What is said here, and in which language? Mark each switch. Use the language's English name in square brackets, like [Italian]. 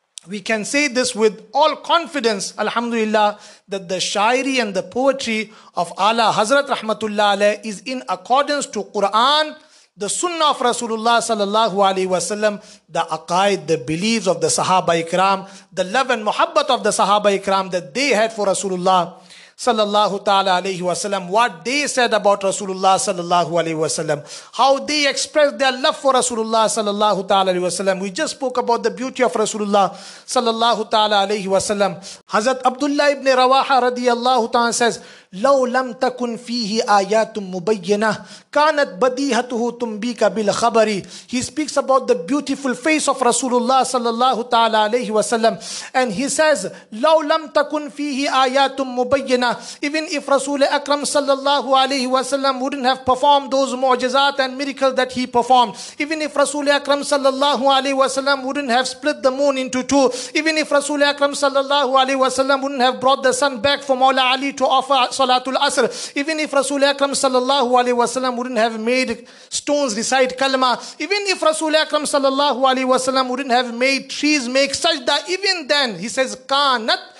[English] We can say this with all confidence, alhamdulillah, that the shayri and the poetry of Ala Hazrat Rahmatullah Alayh is in accordance to Quran, the Sunnah of Rasulullah sallallahu alayhi wa sallam, the aqaid, the beliefs of the Sahaba ikram, the love and muhabbat of the Sahaba ikram that they had for Rasulullah sallallahu ta'ala alayhi wa sallam, what they said about Rasulullah sallallahu alayhi wa sallam, how they expressed their love for Rasulullah sallallahu ta'ala alayhi wa sallam. We just spoke about the beauty of Rasulullah sallallahu ta'ala alayhi wa sallam. Hazrat Abdullah ibn Rawaha radiyallahu ta'ala says, [Arabic] لو لم تكن فيه آيات مبينة كانت بديهته تنبيك بالخبر. [English] He speaks about the beautiful face of Rasulullah sallallahu ta'ala alayhi wa sallam, and he says [Arabic] لو لم تكن فيه آيات مبينة, [English] even if Rasul Akram sallallahu alayhi wa sallam wouldn't have performed those mu'jizat and miracles that he performed, even if Rasul Akram sallallahu alayhi wa sallam wouldn't have split the moon into two, even if Rasul Akram sallallahu alayhi wa sallam wouldn't have brought the sun back for Mawla Ali to offer Salatul Asr, even if Rasul Akram sallallahu alayhi wa sallam wouldn't have made stones recite kalma, even if Rasul Akram sallallahu alayhi wa sallam wouldn't have made trees make sajda, even then, he says, kanat